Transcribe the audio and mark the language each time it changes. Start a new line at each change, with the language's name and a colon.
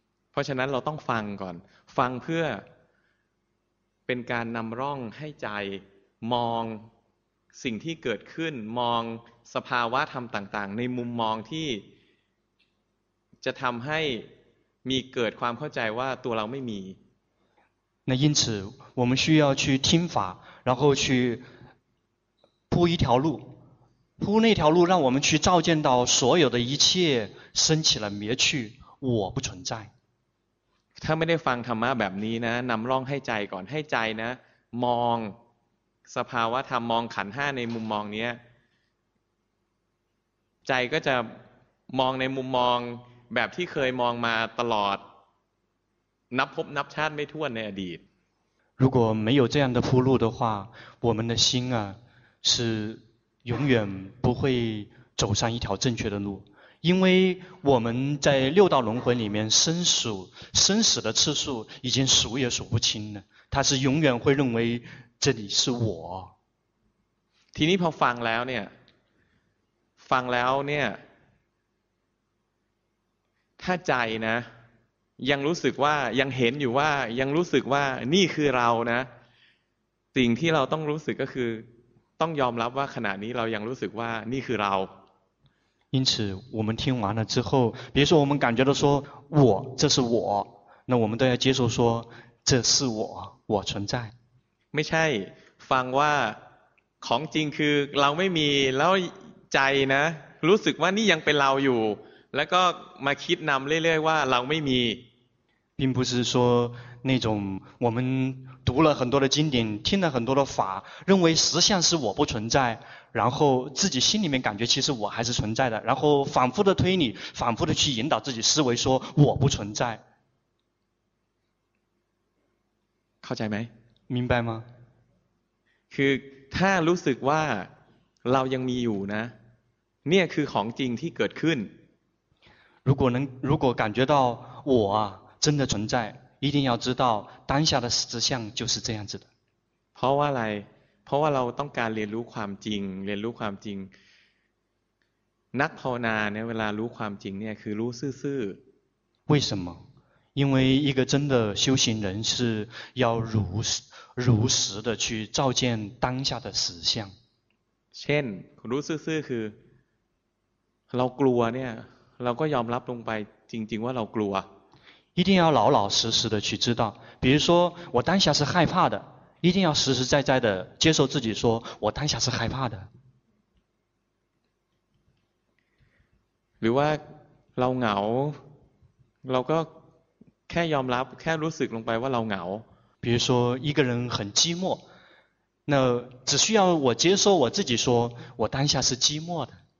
Thai: เพราะฉะนั้นเราต้องฟังก่อนฟังเพื่อเป็นการนำร่องให้ใจมองสิ่งที่เกิดขึ้นมองสภาวะธรรมต่างๆในมุมมองที่จะทำให้ มีเกิดความเข้าใจว่าตัวเราไม่มี
Chinese: 那因此我们需要去听法然后去铺一条路铺那条路让我们去照见到所有的一切升起了灭去我不存在
Thai: ถ้าไม่ได้ฟังธรรมะแบบนี้นะนำร่องให้ใจก่อนให้ใจนะมองสภาวะธรรมมองขันธ์ 5ในมุมมองนี้ใจก็จะมองในมุมมองแบบที่เคยมองมาตลอดนับพบนับชาติไม่ถ้วนในอดีต
Chinese: 如果没有这样的铺路的话我们的心啊是永远不会走上一条正确的路因为我们在六道轮回里面生死的次数已经数也数不清了他是永远会认为这里是我
Thai: ทีนี้พอฟังแล้วเนี่ยฟังแล้วเนี่ยถ้าใจนะยังรู้สึกว่ายังเห็นอยู่ว่ายังรู้สึกว่านี่คือเรานะสิ่งที่เราต้องรู้สึกก็คือต้องยอมรับว่าขณะนี้เรายังรู้สึกว่านี่คือเรา
Chinese: 因此我们听完了之后比如说我们感觉到说我这是我那我们都要接受说这是我我存在
Thai: ไม่ใช่ฟังว่าของจริงคือเราไม่มีแล้วใจนะรู้สึกว่านี่ยังเป็นเราอยู่แล้วก็มาคิดนำเรื่อยๆว่าเราไม่มี
Chinese: 并不是说那种我们读了很多的经典听了很多的法认为实相是我不存在然后自己心里面感觉其实我还是存在的然后反复的推理反复的去引导自己思维说我不存在
Thai: เข้าใจไหม
Chinese: 明白吗
Thai: คือถ้ารู้สึกว่าเรายังมีอยู่นะเนี่ยคือของจริงที่เกิดขึ้น รู้
Chinese: ก็感觉到我真的存在一定要知道当下的实相就是这样子的
Thai: เพราะว่าอะไรเพราะว่าเราต้องการเรียนรู้ความจริงเรียนรู้ความจริงนักภาวนาเนี่ยเวลารู้ความจริงเนี่ยคือรู้ซื่อ
Chinese: ๆ为什么因为一个真的修行人是要如实的去照见当下的实相
Thai: เช่นรู้ซื่อๆคือเรากลัวเนี่ยเราก็ยอมรับลงไปจริงๆว่าเรากลัว
Chinese: 一定要老老实实的去知道比如说我当下是害怕的一定要实实在在的接受自己说我当下是害怕的
Thai: หรือว่าเราเหงาเราก็แค่ยอมรับแค่รู้สึกลงไปว่าเราเหงา
Chinese: 比如说一个人很寂寞那只需要我接受我自己说我当下是寂寞的